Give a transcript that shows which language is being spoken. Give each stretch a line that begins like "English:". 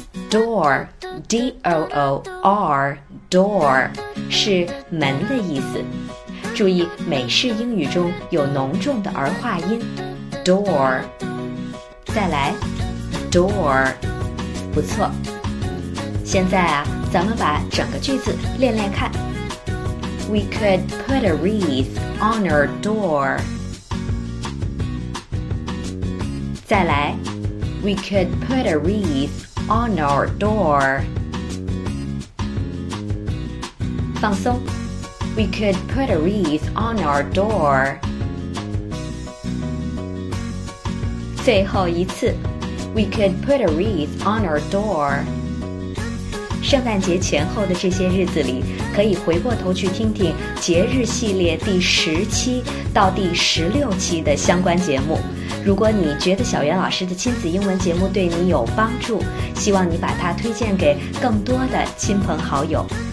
Chinese: Door, D-O-O-R, door 是门的意思。注意美式英语中有浓重的儿化音。 Door. 再来 door， 不错。现在啊，咱们把整个句子练练看。
English: We could put a wreath on our door.
Chinese: 再来
English: ，We could put a wreath on our door.
Chinese: 放松
English: ，We could put a wreath on our door.
Chinese: 最后一次
English: We could put a wreath on our door.
Chinese: 圣诞节前后的这些日子里，可以回过头去听听节日系列第十期到第十六期的相关节目。如果你觉得小袁老师的亲子英文节目对你有帮助，希望你把它推荐给更多的亲朋好友。